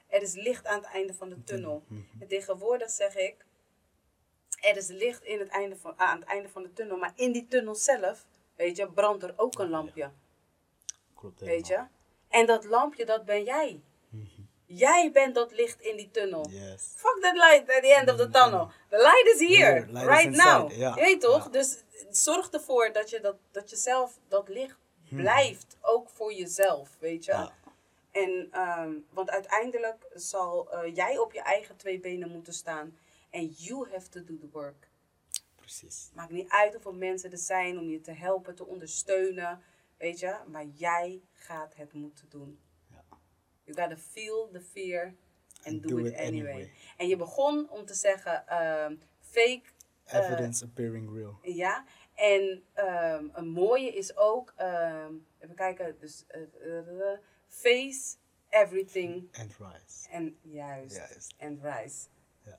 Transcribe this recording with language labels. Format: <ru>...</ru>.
<nl>er is licht aan het einde van de tunnel. En tegenwoordig zeg ik, er is licht in het einde van, aan het einde van de tunnel. Maar in die tunnel zelf, weet je, brandt er ook een lampje. Klopt helemaal. Weet je? En dat lampje, dat ben jij. Mm-hmm. Jij bent dat licht in die tunnel.</nl> <en>Yes. Fuck that light at the end of the tunnel. The light is here, light right is now.</en> <nl>Ja. Je weet toch? Ja. Dus zorg ervoor dat je, dat, dat je zelf dat licht blijft. Ook voor jezelf, weet je? Ja. En, want uiteindelijk zal jij op je eigen twee benen moeten staan.</nl> <en>En you have to do the work.</en> <nl>Precies. Maakt niet uit hoeveel mensen er zijn om je te helpen, te ondersteunen. Weet je? Maar jij gaat het moeten doen. Ja.</nl> <en>You gotta feel the fear and do it anyway.</en> <nl>En je begon om te zeggen, fake</nl> <en>evidence appearing real.</en> <nl>Ja. En een mooie is ook, even kijken, dus</nl> <en>face everything. And rise.</en> <nl>En juist.</nl> <en>And rise.</en> <nl>Ja.</nl>